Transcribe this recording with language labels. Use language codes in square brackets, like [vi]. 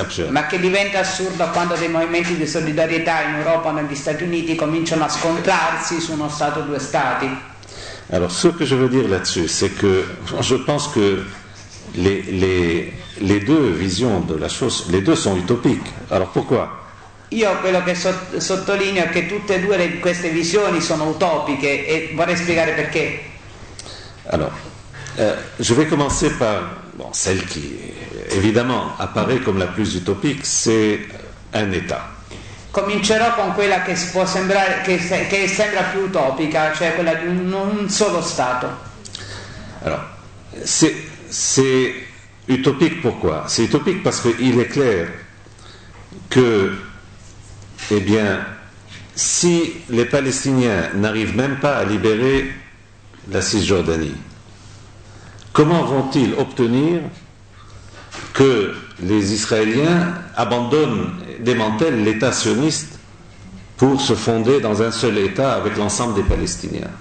[it] Ma che diventa assurdo quando dei movimenti di solidarietà in Europa negli Stati Uniti cominciano a scontrarsi su uno stato due stati. [fr] Alors ce que je veux dire là-dessus, c'est que je pense que les deux visions de la chose, les deux sont utopiques. Alors pourquoi? [it] Io quello che sottolineo è che tutte e due queste visioni sono utopiche e vorrei spiegare perché. [fr] Alors je vais commencer par celle qui évidemment apparaît comme la plus utopique, c'est un État. [it] Comincerò con quella che può sembrare che sembra più utopica, cioè quella di un solo Stato. [fr] Alors, c'est utopique pourquoi? C'est utopique parce qu'il est clair que, eh bien, si les Palestiniens n'arrivent même pas à libérer la Cisjordanie, comment vont-ils obtenir que les Israéliens abandonnent, démantèlent l'État sioniste pour se fonder dans un seul État avec l'ensemble des Palestiniens?